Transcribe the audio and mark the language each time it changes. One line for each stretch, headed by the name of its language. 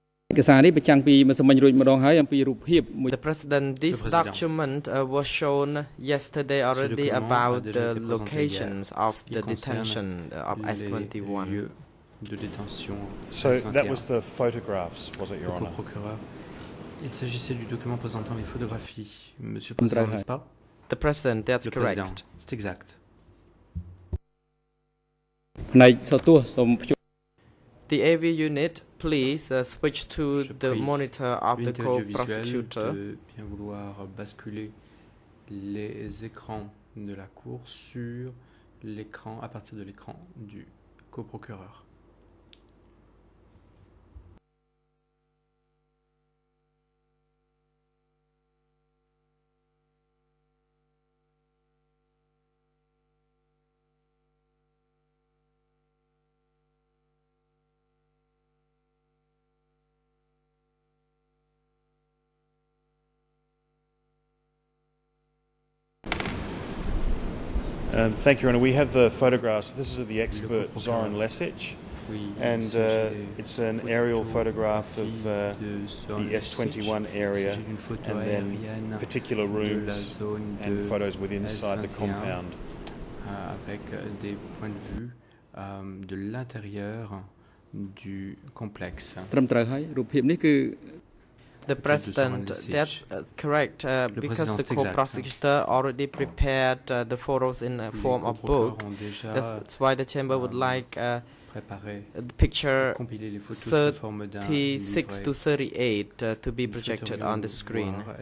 English: The President, this document was shown yesterday already about the locations of the detention of S21. So that was the photographs, was it, Your Honor?
French: Il s'agissait du document présentant les photographies, Monsieur le Président, n'est-ce pas?
English: The President, that's
French: le
English: correct.
French: Président. C'est exact.
English: The AV unit. Please switch to the monitor of the co-prosecutor.
French: De bien vouloir basculer les écrans de la cour sur l'écran à partir de l'écran du coprocureur.
English: Thank you, Your Honor. We have the photographs. This is of the expert Zoran Lesic, and it's an aerial photograph of the S21 area, and then particular rooms and photos within inside the compound.
French: Avec des points de vue de l'intérieur du complexe.
English: The president, that's correct, because the co-prosecutor already prepared the photos in the form of book. That's why the chamber would like the picture 36 to 38 to be projected on the screen.